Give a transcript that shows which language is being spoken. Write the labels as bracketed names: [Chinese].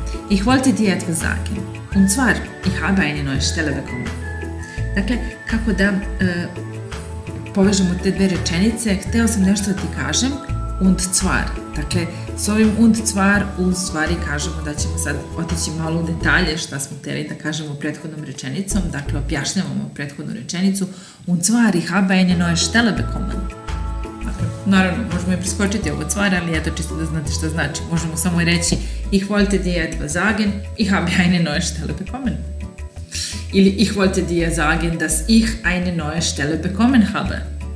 [German] Ich wollte dir etwas sagen. Und zwar, ich habe eine neue Stelle bekommen. [Serbian] Dakle, kako da povežemo te dve rečenice, hteo sam nešto da ti kažem. [German] Und zwar. [Serbian] Dakle, s ovim [German] und zwar [Serbian] u stvari kažemo da ćemo sad otići malo u detalje šta smo hteli da kažemo prethodnom rečenicom. Dakle, objašnjavamo prethodnu rečenicu. [German] Und zwar, ich habe eine neue Stelle bekommen. [Serbian] Naravno, možemo i preskočiti ovo cvar, ali eto čisto da znate što znači. Možemo samo reći [German] ich wollte dir etwas sagen, ich habe eine neue Stelle bekommen. Ili ich wollte dir sagen, dass ich eine neue Stelle bekommen habe.